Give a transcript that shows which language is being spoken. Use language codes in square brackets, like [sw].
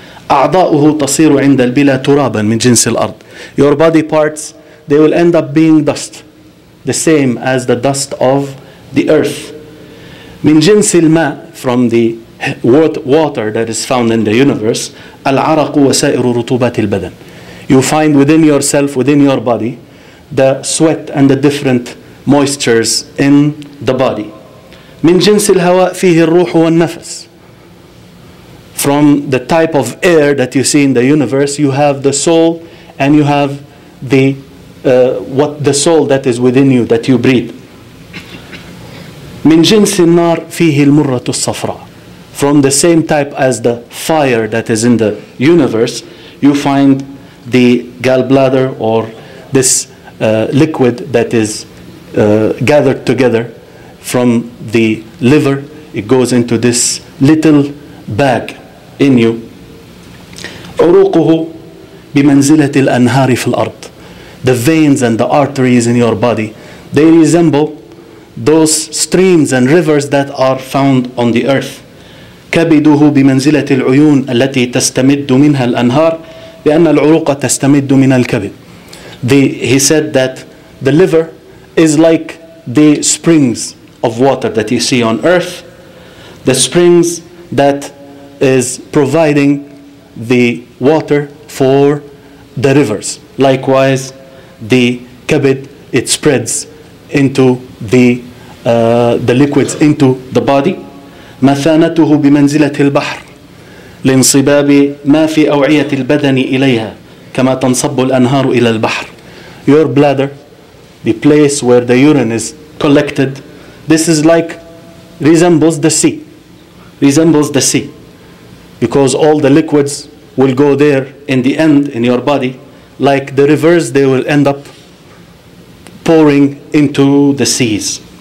[ar] أعضاؤه تصير عند البلا ترابا من جنس الأرض. [en] Your body parts, they will end up being dust, the same as the dust of the earth. [ar] من جنس الماء, [en] from the water that is found in the universe, [ar] العرق وسائر رطوبات البدن. [en] You find within yourself, within your body, the sweat and the different moistures in the body. [ar] من جنس الهواء فيه الروح والنفس. [en] From the type of air that you see in the universe, you have the soul and you have the what the soul that is within you that you breathe. [ar] من جنس النار فيه المرة الصفراء. [en] From the same type as the fire that is in the universe, you find the gallbladder or this liquid that is gathered together from the liver. It goes into this little bag in you. [ar] عروقه بمنزلة الأنهار في الأرض. [en] The veins and the arteries in your body, they resemble those streams and rivers that are found on the earth. [ar] كبده بمنزلة العيون التي تستمد منها الأنهار لأن العروق تستمد من الكبد. [en] He said that the liver is like the springs of water that you see on earth, the springs that is providing the water for the rivers. Likewise, the kabid, it spreads into the liquids into the body. [ar] مثانته بمنزلة البحر لانصباب ما في أوعية البدن إليها كما تنصب الأنهار إلى البحر. [en] Your bladder, the place where the urine is collected, this is like resembles the sea. Resembles the sea. Because all the liquids will go there in the end in your body. Like the rivers, they will end up pouring into the seas.